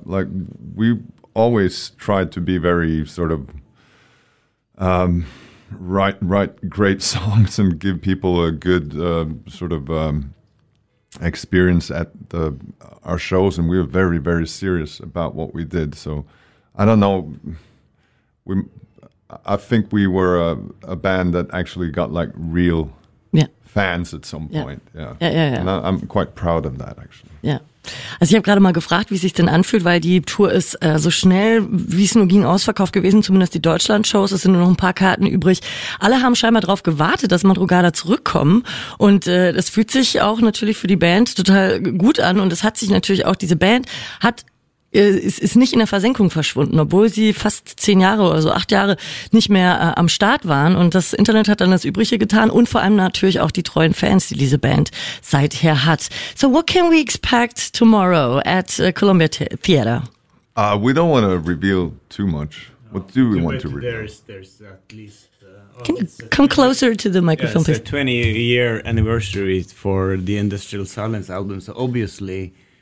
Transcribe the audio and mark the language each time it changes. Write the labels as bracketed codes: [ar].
[en] Like we always tried to be very sort of write great songs and give people a good sort of experience at our shows, and we were very, very serious about what we did. So I don't know. I think we were a band that actually got like real yeah. fans at some yeah. point. Yeah. Yeah. And I'm quite proud of that, actually. Yeah. [de] Also ich habe gerade mal gefragt, wie es sich denn anfühlt, weil die Tour ist so schnell, wie es nur ging, ausverkauft gewesen, zumindest die Deutschland-Shows, es sind nur noch ein paar Karten übrig. Alle haben scheinbar darauf gewartet, dass Madrugada zurückkommen und das fühlt sich auch natürlich für die Band total gut an und es hat sich natürlich auch, diese Band hat ist nicht in der Versenkung verschwunden, obwohl sie fast 10 Jahre oder so 8 Jahre nicht mehr am Start waren. Und das Internet hat dann das Übrige getan und vor allem natürlich auch die treuen Fans, die diese Band seither hat. [en] So what can we expect tomorrow at Columbia Theatre? We don't want to reveal too much. What do we want to reveal? There's at least... can you come closer to the microphone, please? It's a 20-year anniversary for the Industrial Silence album, so obviously...